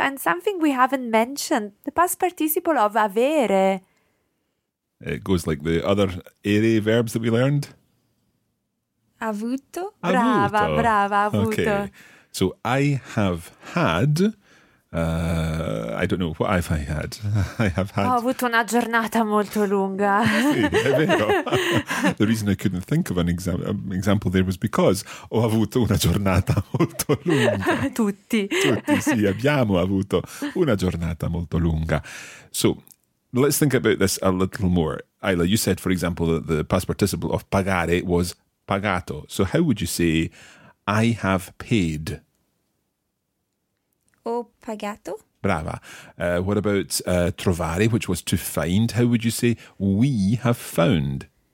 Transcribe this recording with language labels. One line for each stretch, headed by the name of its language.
English: And something we haven't mentioned, the past participle of avere. It goes like the other ere verbs that we learned.
Italian: Avuto. Brava, avuto. Brava, avuto.
English: Okay. So I have had... I don't know, what have I had? I have had...
Italian: Ho avuto una giornata molto lunga. Sì, è vero.
English: The reason I couldn't think of an example there was because
Italian: ho avuto una giornata molto lunga. Tutti. Tutti, sì, abbiamo avuto una giornata molto lunga.
English: So, let's think about this a little more. Ayla, you said, for example, that the past participle of pagare was pagato. So how would you say, I have paid...
Italian: Ho pagato. Brava.
English: What about trovare, which was to find? How would you say we have found?